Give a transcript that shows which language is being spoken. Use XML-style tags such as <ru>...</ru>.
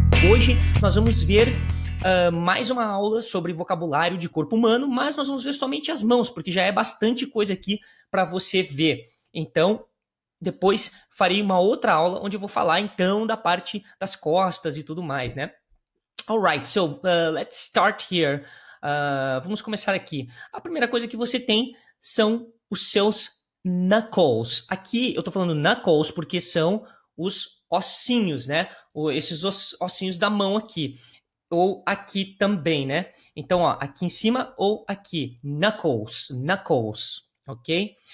<pt>Hoje nós vamos ver mais uma aula sobre vocabulário de corpo humano, mas nós vamos ver somente as mãos, porque já é bastante coisa aqui para você ver. Então, depois farei uma outra aula onde eu vou falar então da parte das costas e tudo mais, né?</pt> <en>Alright, so let's start here.</en> <pt>Vamos começar aqui. A primeira coisa que você tem são os seus knuckles. Aqui eu tô falando knuckles porque são os ossinhos, né? Esses ossinhos da mão aqui. Ou aqui também, né? Então, ó, aqui em cima ou aqui. Knuckles, ok?</pt>